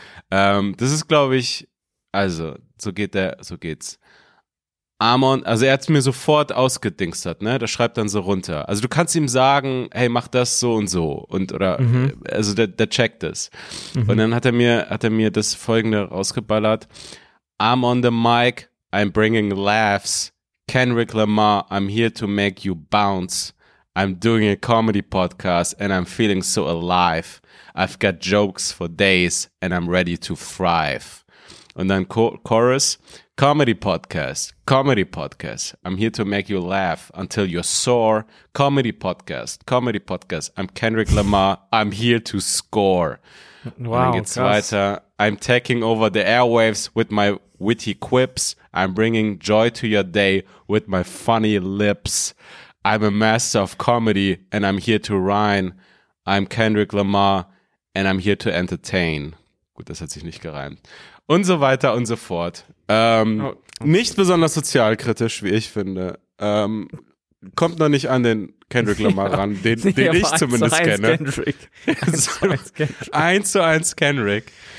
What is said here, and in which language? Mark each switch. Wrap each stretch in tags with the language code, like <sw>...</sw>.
<de>Das ist, glaube ich, also so geht's. Amon, also er hat mir sofort ausgedingstert, ne? Der schreibt dann so runter. Also du kannst ihm sagen, hey, mach das so und so. Und oder also der checkt es. Mhm. Und dann hat er mir das folgende rausgeballert.</de> <en>I'm on the mic, I'm bringing laughs. Kendrick Lamar, I'm here to make you bounce. I'm doing a comedy podcast and I'm feeling so alive. I've got jokes for days and I'm ready to thrive.</en> <de>Und dann</de> <en>Chorus, comedy podcast, I'm here to make you laugh until you're sore. Comedy podcast, I'm Kendrick Lamar, I'm here to score. Wow,</en> <de>und dann geht's krass. Weiter,</de> <en>I'm taking over the airwaves with my witty quips. I'm bringing joy to your day with my funny lips. I'm a master of comedy and I'm here to rhyme. I'm Kendrick Lamar and I'm here to entertain.</en> <de>Gut, das hat sich nicht gereimt. Und so weiter und so fort. Nicht besonders sozialkritisch, wie ich finde. Kommt noch nicht an den Kendrick Lamar ran, den ich zumindest kenne. 1:1 Kendrick.</de>